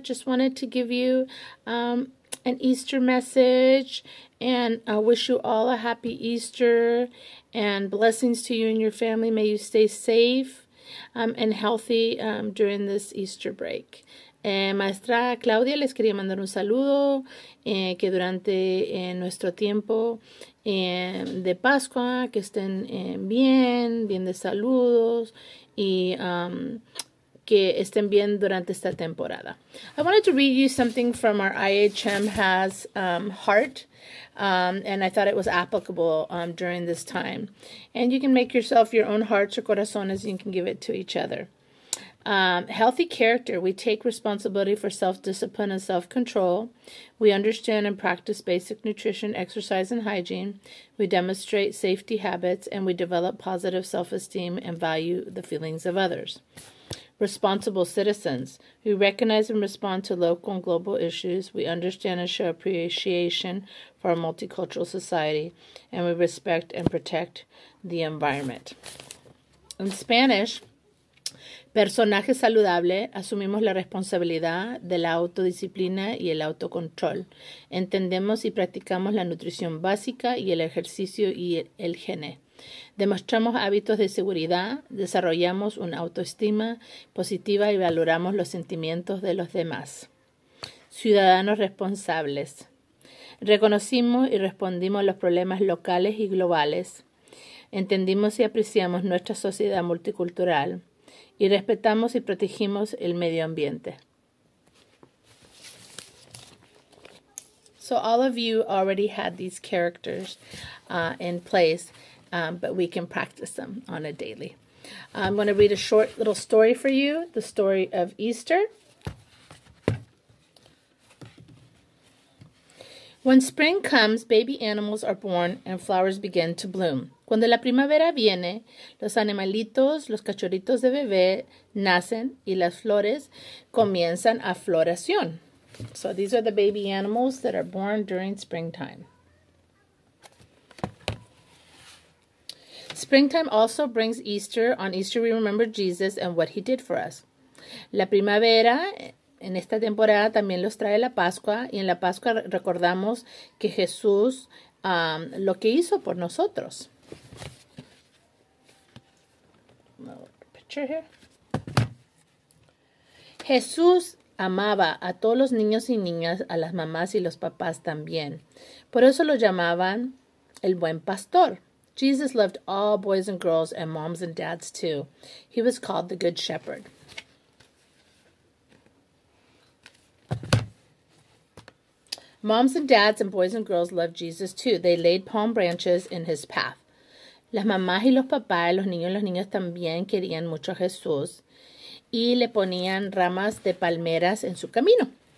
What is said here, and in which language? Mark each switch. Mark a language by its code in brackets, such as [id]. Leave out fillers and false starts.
[en] Just wanted to give you an Easter message, and I wish you all a happy Easter and blessings to you and your family. May you stay safe and healthy during this Easter break. [es] Maestra Claudia, les quería mandar un saludo que durante nuestro tiempo de Pascua, que estén bien, bien de saludos, y que estén bien durante esta temporada. [en] I wanted to read you something from our IHM has heart, and I thought it was applicable during this time. And you can make yourself your own hearts or corazones, and you can give it to each other. Healthy character. We take responsibility for self-discipline and self-control. We understand and practice basic nutrition, exercise, and hygiene. We demonstrate safety habits, and we develop positive self-esteem and value the feelings of others. Responsible citizens. We recognize and respond to local and global issues. We understand and show appreciation for our multicultural society, and we respect and protect the environment. In Spanish, [es] personaje saludable, asumimos la responsabilidad de la autodisciplina y el autocontrol. Entendemos y practicamos la nutrición básica y el ejercicio y el higiene. Demostramos hábitos de seguridad, desarrollamos una autoestima positiva y valoramos los sentimientos de los demás. Ciudadanos responsables. Reconocimos y respondimos a los problemas locales y globales. Entendimos y apreciamos nuestra sociedad multicultural. Y respetamos y protegimos el medio ambiente. [en] So all of you already had these characters in place, but we can practice them on a daily. I'm going to read a short little story for you, the story of Easter. When spring comes, baby animals are born and flowers begin to bloom. [es] Cuando la primavera viene, los animalitos, los cachorritos de bebé, nacen y las flores comienzan a floración. [en] So these are the baby animals that are born during springtime. Springtime also brings Easter. On Easter, we remember Jesus and what he did for us. [es] La primavera, en esta temporada, también los trae la Pascua. Y en la Pascua recordamos que Jesús, lo que hizo por nosotros. [en] Picture here. [es] Jesús amaba a todos los niños y niñas, a las mamás y los papás también. Por eso lo llamaban el buen pastor. [en] Jesus loved all boys and girls and moms and dads too. He was called the good shepherd. Moms and dads and boys and girls loved Jesus too. They laid palm branches in his path. [es] Las mamás y los papás, los niños y las niñas también querían mucho a Jesús y le ponían ramas de palmeras en su camino.